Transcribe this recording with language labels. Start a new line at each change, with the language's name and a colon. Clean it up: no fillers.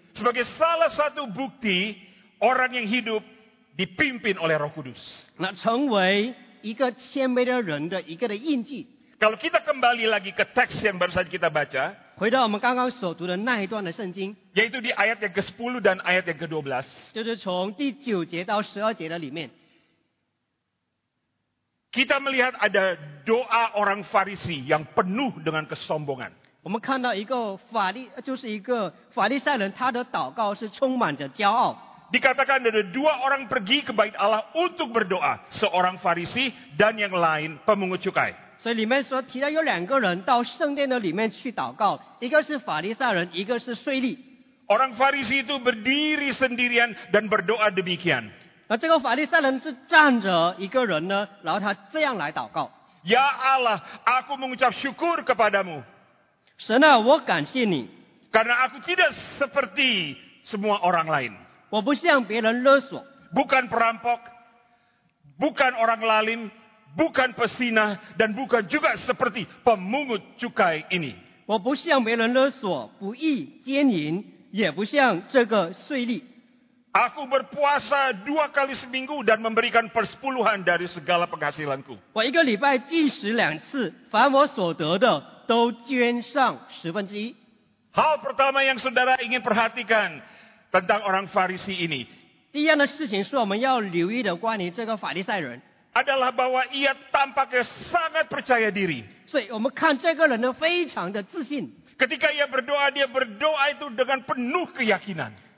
Indonesian: Sebagai salah satu bukti orang yang hidup dipimpin oleh Roh Kudus。
Chinese: 那成为一个谦卑的人的一个的印记。
Indonesian: Kalau kita kembali lagi ke teks yang baru saja kita baca,
Chinese: 回到我们刚刚所读的那一段的圣经，
Indonesian: yaitu di ayat yang ke-10 dan ayat yang ke-12,
Chinese: 就是从第九节到十二节的里面，
Indonesian: kita melihat ada doa orang Farisi yang penuh dengan kesombongan.
Chinese: 我们看到一个法利，就是一个法利赛人，他的祷告是充满着骄傲。
Indonesian: Dikatakan ada dua orang pergi ke bait Allah untuk berdoa, seorang Farisi dan yang lain pemungut cukai.
Chinese: 所以里面说提到有两个人到圣殿的里面去祷告，一个是法利赛人，一个是税吏。
Indonesian: Orang Farisi itu berdiri sendirian dan berdoa demikian.
Chinese: 那这个法利赛人是站着一个人呢，然后他这样来祷告。
Indonesian: Ya Allah, aku mengucap syukur kepadamu.
Chinese: 神啊，我感谢你。
Indonesian: Karena aku tidak seperti semua orang lain.
Chinese: 我不向别人勒索.
Indonesian: Bukan perampok, bukan orang lalim, bukan pesina, dan bukan juga seperti pemungut cukai ini.
Chinese: 我不向别人勒索，不义奸淫，也不向这个税吏.
Indonesian: Aku berpuasa 2 kali seminggu dan memberikan persepuluhan dari segala penghasilanku.
Chinese: 我一个礼拜禁食两次，凡我所得的都捐上十分之一.
Indonesian: Hal pertama yang saudara ingin perhatikan tentang orang Farisi ini.
Chinese: 第二呢事情是我们要留意的关于这个法利赛人.
Indonesian: Adalah bahwa ia tampaknya sangat percaya diri.
Chinese: 所以我们看这个人呢非常的自信.
Indonesian: Ketika ia berdoa itu dengan penuh keyakinan.